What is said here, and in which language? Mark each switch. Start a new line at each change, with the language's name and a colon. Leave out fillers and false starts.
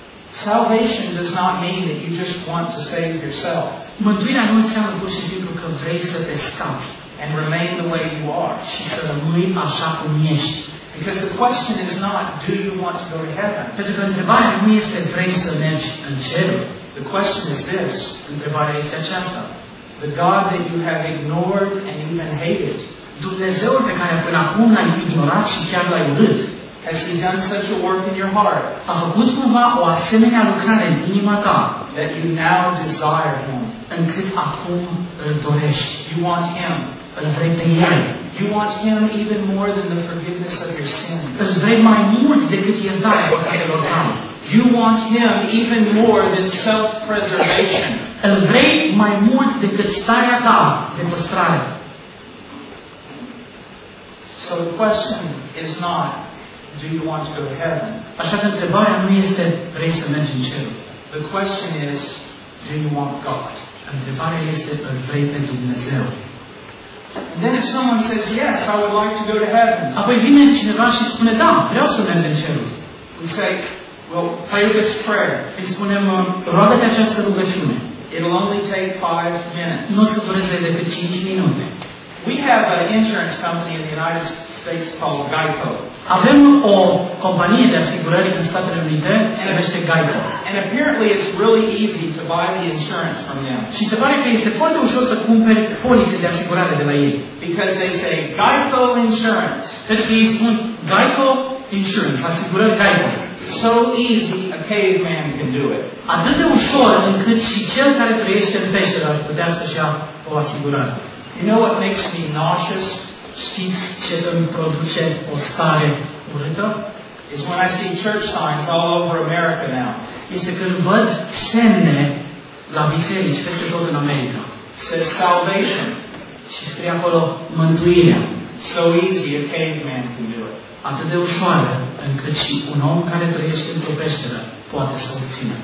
English: Salvation does not mean that you just want to save yourself.
Romanian: Mântuirea nu înseamnă pur și simplu că vrei să te scapi.
English: And remain the way you are.
Romanian: Și să rămâi așa cum ești.
English: Because the question is not, do you want to go to heaven?
Romanian: Pentru că întrebarea nu este, vrei să mergi în cer?
English: The question is this.
Romanian: Întrebarea este aceasta.
English: The God that you have ignored and even hated.
Romanian: Dumnezeul pe care până acum l-ai ignorat și chiar l-ai urât.
English: Has he done such a work in your heart?
Romanian: A făcut cumva o asemenea lucrare în inima ta?
English: That you now desire him.
Romanian: Încât acum îl dorești.
English: You want him.
Romanian: Îl vrei pe el.
English: You want him even more than the forgiveness of your sins.
Romanian: Îl vrei mai mult decât iertarea păcatelor tale.
English: You want him even more than self-preservation.
Romanian: Îl vrei mai mult decât starea ta de păstrare.
English: So the question is not, do you want to go to heaven?
Romanian: Așa că întrebarea nu este, vrei să mergi în cer?
English: The question is, do you want God?
Romanian: Întrebarea este, îl vrei pe Dumnezeu?
English: And then if someone says, yes, I would like to go to heaven.
Romanian: Apoi vine cineva și spune, da, vreau să merg în cer.
English: We say, well, pray this prayer.
Romanian: Îi spunem, roagă-te această rugăciune.
English: It'll only take 5 minutes.
Romanian: Nu o să dureze decât 5 minute.
English: We have an insurance company in the United States called Geico.
Romanian: Avem o companie de asigurări în Statele Unite, se numește Geico.
English: And apparently it's really easy to buy the insurance from them.
Romanian: Și se pare că este foarte ușor să cumperi polițe de asigurare de la ei.
English: Because they say Geico insurance.
Romanian: Pentru că ei spun
English: Geico insurance,
Romanian: asigurări Geico.
English: So easy a caveman can do it.
Romanian: Atât de ușor încât și cel care trăiește în peșteră ar putea să-și ia o asigurare.
English: You know what makes me nauseous?
Romanian: Știți ce îmi produce o stare urâtă?
English: Is when I see church signs all over America now.
Romanian: Este când văd semne la biserici peste tot în America.
English: Says salvation.
Romanian: Și scrie acolo mântuirea.
English: So easy a caveman can do it.
Romanian: Atât de ușoară încât și un om care trăiește într-o peșteră poate să o țină.